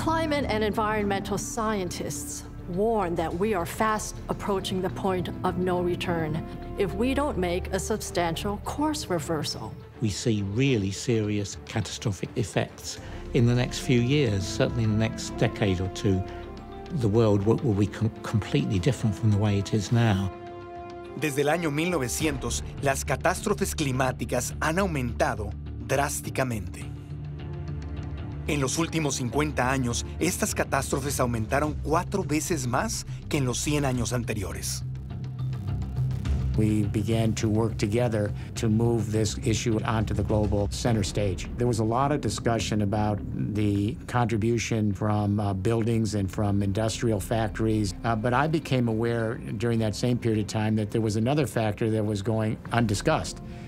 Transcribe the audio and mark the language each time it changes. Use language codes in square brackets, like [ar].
[en] And environmental scientists warn that we are fast approaching the point of no return if we don't make a substantial course reversal. We see really serious catastrophic effects in the next few years, certainly in the next decade or two. The world will be completely different from the way it is now. [es] Desde el año 1900, las catástrofes climáticas han aumentado drásticamente. En los últimos 50 años, estas catástrofes aumentaron 4 veces más que en los 100 años anteriores. [en] We began to work together to move this issue onto the global center stage. There was a lot of discussion about the contribution from buildings and from industrial factories, but I became aware during that same period of time that there was another factor that was going undiscussed.